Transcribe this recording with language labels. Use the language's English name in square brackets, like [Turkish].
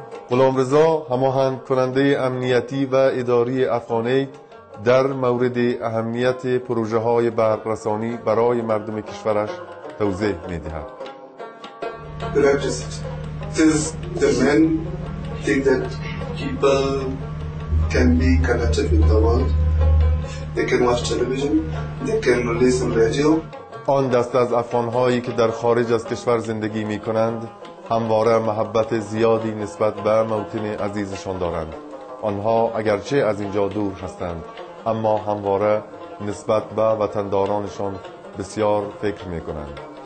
[Persian] غلامرضا هماهنگ کننده امنیتی و اداری افغانید در مورد اهمیت پروژه های برق رسانی برای مردم کشورش توضیح می دهد. [English] Electricity. does the man think that people can be connected with the world? They can watch television, they can listen to radio. [Persian] آن دست از افغان‌هایی که در خارج از کشور زندگی می‌کنند همواره محبت زیادی نسبت به موطن عزیزشان دارند. آنها اگرچه از اینجا دور هستند اما همواره نسبت به وطندارانشان بسیار فکر می‌کنند.